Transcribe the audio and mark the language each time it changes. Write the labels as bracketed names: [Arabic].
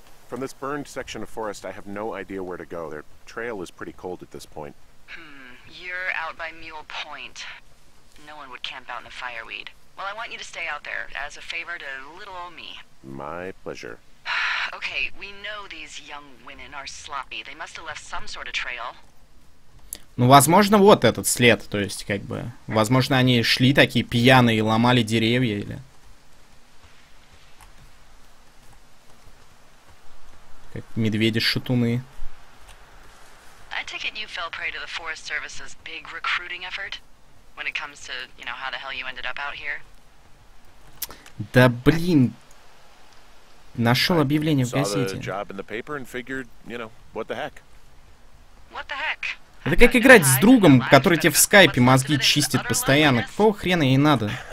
[English] From this burned section of forest, I have no idea where to go. Their trail is pretty cold at this point. Hmm, You're out by Mule Point. No one would camp out in the fireweed. Well, I want you to stay out there, as a favor to little old me. My pleasure. Okay, we know these young women are sloppy. They must have left some sort of trail. [Russian] Ну, возможно, вот этот след, то есть, как бы, возможно, они шли такие пьяные и ломали деревья, или... Как медведи-шатуны. [English] I take it you fell prey to the Forest Service's big recruiting effort, when it comes to, you know, how the hell you ended up out here. [Russian] Да блин! Нашел объявление в газете. [English] Saw the job in the paper and figured, you know, what the heck? What the heck? [Russian] Это как играть с другом, который тебе в скайпе мозги чистит постоянно. Какого хрена ей надо?